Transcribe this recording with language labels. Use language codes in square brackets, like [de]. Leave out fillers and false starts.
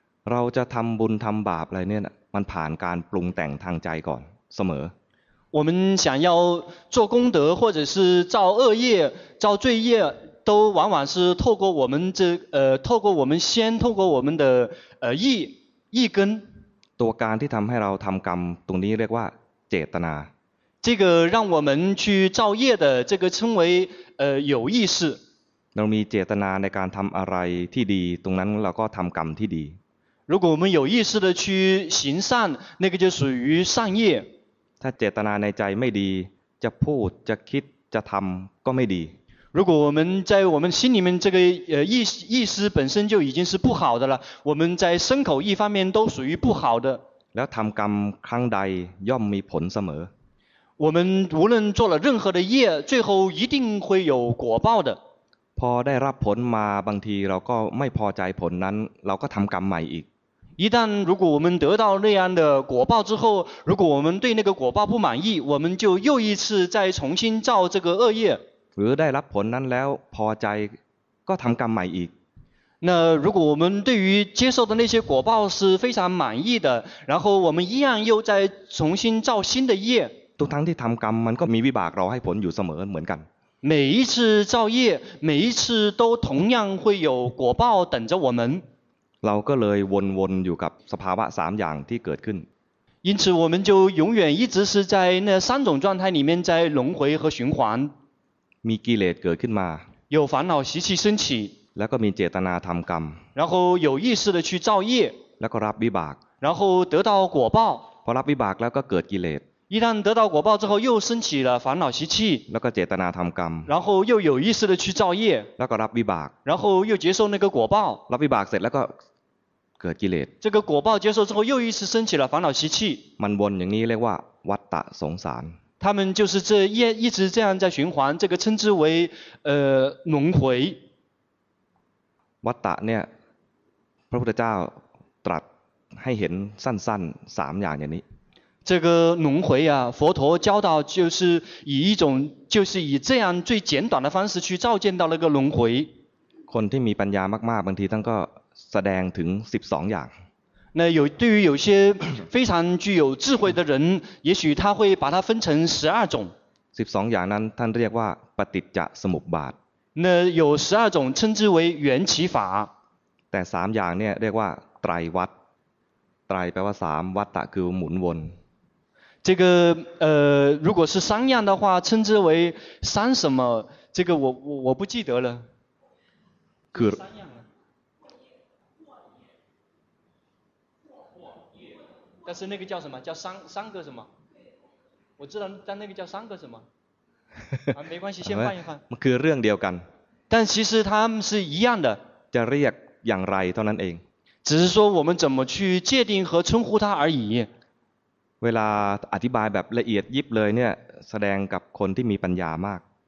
[th] เราจะทำบุญทำบาปอะไรเนี่ยมันผ่านการปรุงแต่งทางใจก่อนเสมอ。 [zh] 我们想要做功德或者是造恶业造罪业，都往往是透过我们这透过我们先透过我们的意根。 [th] ตัวการที่ทำให้เราทำกรรมตรงนี้เรียกว่าเจตนา。 [zh] 这个让我们去造业的这个称为有意识。 [th] เรามีเจตนาในการทำอะไรที่ดีตรงนั้นเราก็ทำกรรมที่ดี。 [zh] 如果我们有意识的去行善，那个就属于善业。 [th] ถ้าเจตนาในใจไม่ดีจะพูดจะคิดจะทำก็ไม่ดี。 [zh] 如果我们在我们心里面这个意识本身就已经是不好的了，我们在身口意方面都属于不好的。 [th] แล้วทำกรรมครั้งใดย่อมมีผลเสมอ。 [zh] 我们无论做了任何的业，最后一定会有果报的。 [th] พอได้รับผลมาบางทีเราก็ไม่พอใจผลนั้นเราก็ทำกรรมใหม่อีก。 [zh] 一旦如果我们得到那样的果报之后，如果我们对那个果报不满意，我们就又一次再重新造这个恶业。 [th] หรือได้รับผลนั้นแล้วพอใจก็ทำกรรมใหม่อีก。 [zh] 那如果我们对于接受的那些果报是非常满意的，然后我们一样又再重新造新的业。 [th] ทุกครั้งที่ทำกรรมมันก็มีวิบากรอให้ผลอยู่เสมอเหมือนกัน。 [zh] 每一次造业，每一次都同样会有果报等着我们。 [th] เราก็เลยวนๆอยู่กับสภาวะ3อย่างที่เกิดขึ้น [zh] 因此我们就永远一直是在那三种状态里面在轮回和循环 [th] มีกิเลสเกิดขึ้นมา [zh] 有烦恼习气升起 [th] แล้วก็มีเจตนาทำกรรม [zh] 然后有意识的去造业 [th] แล้วก็รับวิบาก [zh] 然后得到果报 [th] พอรับวิบากแล้วก็เกิดกิเลส [zh] 一旦得到果报之后又升起了烦恼习气 [th] แล้วก็เจตนาทำกรรม [zh] 然后又有意识的去造业 [th] แล้วก็รับวิบาก [zh] 然后又接受那个果报 [th] รับวิบากเสร็จแล้วก็เกิดกิเลส [zh] 这个果报接受之后又一次升起了烦恼习气 [th] มันวนอย่างนี้เรียกว่าวัฏฏะสงสาร [zh] 他们就是这一直这样在循环这个称之为轮回 [th] วัฏฏะเนี่ยพระพุทธเจ้าตรัสให้เห็นสั้นๆ3อย่างอย่างนี้ [zh] 这个轮回啊佛陀教导就是以一种就是以这样最简短的方式去照见到那个轮回 [th] คนที่มีปัญญามากๆบางทีท่านก็แสดงถึง12อย่าง [zh] 那有对于有些非常具有智慧的人也许他会把它分成12种 [th] 12อย่างนั้นท่านเรียกว่าปฏิจจสมุปบาท [zh] 那有12种称之为缘起法 [th] แต่3อย่างเนี่ยเรียกว่าไตรวัฏไตรแปลว่า3วัฏฏะคือหมุนวน [zh] 这个如果是三样的话称之为三什么这个我不记得了 [th] คือ [zh] แต่是那个叫什么叫三个什么我知道但那个叫三个什么没关系先换一换 [th] มันคือเรื่องเดียวกัน [zh] 但其实他们是一样的 [th] จะเรียกอย่างไรเท่านั้นเอง [zh] 只是说我们怎么去界定和称呼它而已 [th] เวลาอธิบายแบบละเอียดยิบเลยเนี่ยแสดงกับคนที่มีปัญญามาก